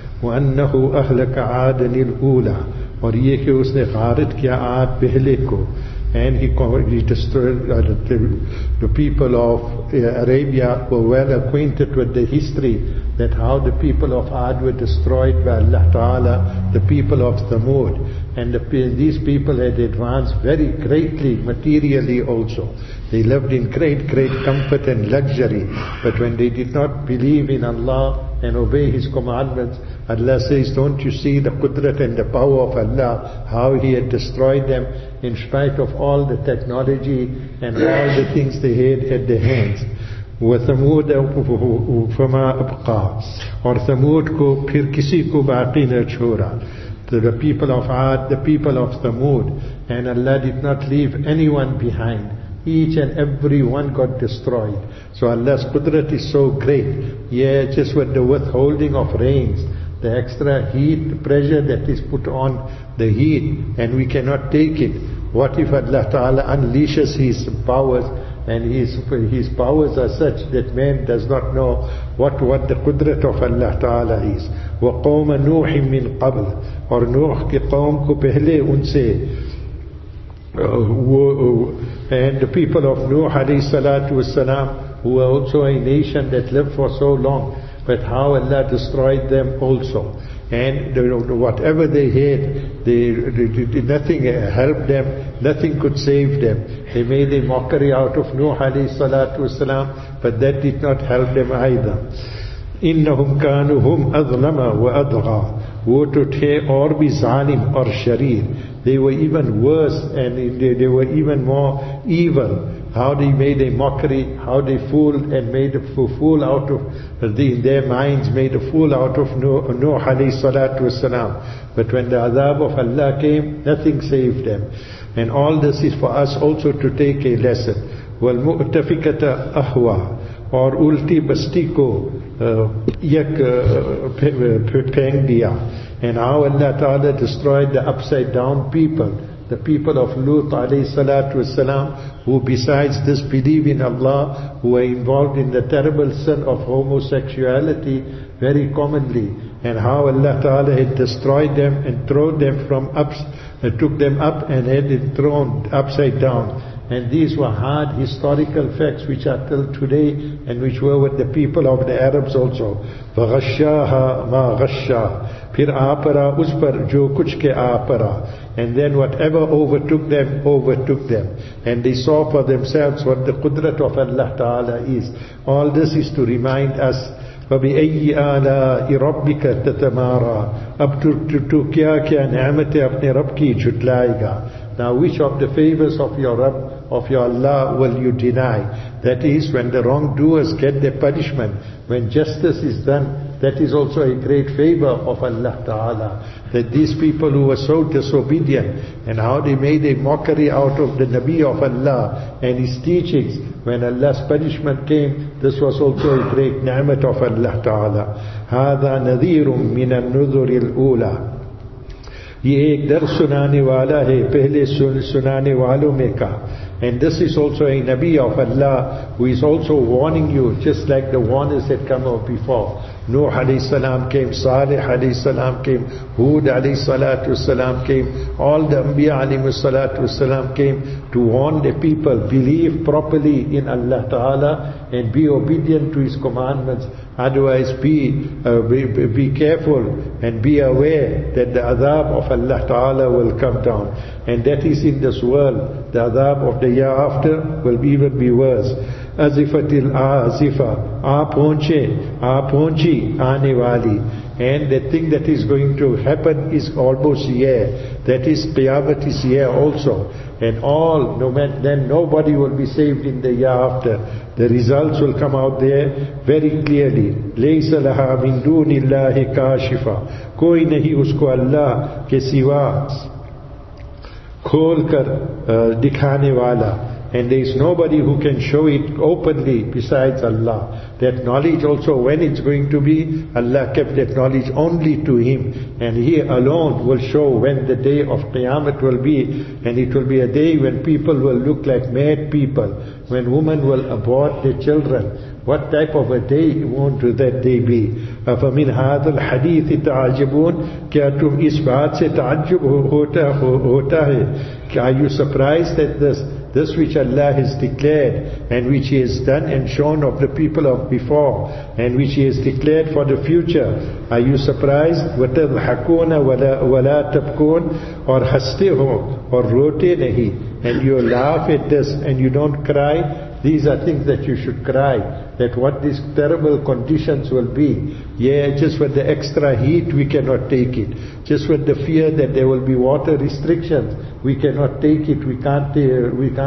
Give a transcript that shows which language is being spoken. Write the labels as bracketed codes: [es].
[ar] وَأَنَّهُ أَهْلَكَ عَادًا الْأُولَىٰ [ur] اور یہ کہ اس نے غارت کیا آد پہلے کو. [en] And he destroyed the people of Arabia were well acquainted with the history that how the people of Ad were destroyed by Allah Ta'ala, the people of Thamud. And these people had advanced very greatly materially also. They lived in great, great comfort and luxury. But when they did not believe in Allah and obey His commandments, Allah says, don't you see the qudrat and the power of Allah, how He had destroyed them in spite of all the technology and all the things they had at their hands. [ar] وَثَمُودَ فَمَا أَبْقَى [ur] اور ثَمُود کو پھر کسی کو باقی نہ چھوڑا. [en] The people of Ad, the people of Thamud, and Allah did not leave anyone behind. Each and every one got destroyed. So Allah's qudrat is so great. Yeah, just with the withholding of rains, the extra heat, the pressure that is put on the heat, and we cannot take it. What if Allah Ta'ala unleashes His powers, and His powers are such that man does not know what the qudrat of Allah Ta'ala is. [ar] وَقَوْمَ نُوحٍ مِّن قَبْلِ [ur] اور نوح کے قوم کو پہلے ان سے. [en] And the people of Nuh alayhi salatu wasalam, who were also a nation that lived for so long, but how Allah destroyed them also. And whatever they had, nothing helped them, nothing could save them. They made a mockery out of Nuh alayhi salatu wasalam, but that did not help them either. [ar] إِنَّهُمْ كَانُهُمْ أَظْلَمَ وَأَدْغَى [ur] وہ تو تھے اور بھی ظالم اور شریر. [en] They were even worse and they were even more evil. How they made a mockery, how they fooled and made a fool out of, in their minds made a fool out of Nuh alayhi salatu wasalam. But when the azab of Allah came, nothing saved them. And all this is for us also to take a lesson. [ar] وَالْمُؤْتَفِكَةَ أَهْوَى [ur] اور الٹی بستی کو پھینک دیا. [en] And how Allah Ta'ala destroyed the upside down people, the people of Lut alayhi salatu wasalam, who besides disbelieve in Allah, who were involved in the terrible sin of homosexuality very commonly, and how Allah Ta'ala had destroyed them and took them up and had it thrown upside down. And these were hard historical facts which are till today and which were with the people of the Arabs also. [ar] وَغَشَّاهَا مَا غَشَّا [ur] پھر آپرا اس پر جو کچھ کے آپرا. [en] And then whatever overtook them. And they saw for themselves what the qudrat of Allah Ta'ala is. All this is to remind us. [ar] فَبِأَيِّ آلَاءِ رَبِّكَ تَتَمَارَا [ur] اب تو کیا کیا نعمتیں اپنے رب کی جھٹلائے گا. [en] Now which of the favors of your Rabb, of your Allah, will you deny? That is, when the wrongdoers get their punishment, when justice is done, that is also a great favor of Allah Ta'ala. That these people who were so disobedient, and how they made a mockery out of the Nabi of Allah and His teachings, when Allah's punishment came, this was also a great ni'mat of Allah Ta'ala. [ar] هَذَا نَذِيرٌ مِّنَ النُّذُرِ الْأُولَىٰ [ur] یہ ایک درس سنانے والا ہے پہلے سنانے والوں میں کا. [en] And this is also a Nabi of Allah who is also warning you, just like the warners that come up before. Nuh alayhi salam came, Salih alayhi salam came, Hud alayhi salatu salam came, all the Anbiya alayhi salatu salam came to warn the people, believe properly in Allah Ta'ala and be obedient to His commandments. Otherwise be careful and be aware that the adab of Allah Ta'ala will come down. And that is in this world. The adab of the year after will even be worse. [ar] Azifatil azifa, [ur] aa ponchi aane wali. [en] And the thing that is going to happen is almost here. That is, Qiyamah is here also. And all, no man, then nobody will be saved in the year after. The results will come out there very clearly. [ar] لَيْسَ لَهَا مِن دُونِ اللَّهِ كَاشِفَ. [ur] کوئی نہیں اس کو اللہ کے سوا کھول کر دکھانے والا. [en] And there is nobody who can show it openly besides Allah. That knowledge also, when it's going to be, Allah kept that knowledge only to Him. And He alone will show when the day of Qiyamah will be. And it will be a day when people will look like mad people. When women will abort their children. What type of a day won't that day be? [ar] فَمِنْ هَذَا الْحَدِيثِ تَعَجِبُونَ. [ur] کیا تم اس بات سے تعجب ہوتا ہے؟ [en] Are you surprised at this? This which Allah has declared and which He has done and shown of the people of before and which He has declared for the future. Are you surprised? [ar] وَتَضْحَكُونَ وَلَا تَبْكُونَ. [ur] اور ہستے ہو اور روتے نہیں. [en] And you laugh at this and you don't cry. These are things that you should cry. That what these terrible conditions will be. Yeah, just with the extra heat we cannot take it. Just with the fear that there will be water restrictions, we cannot take it.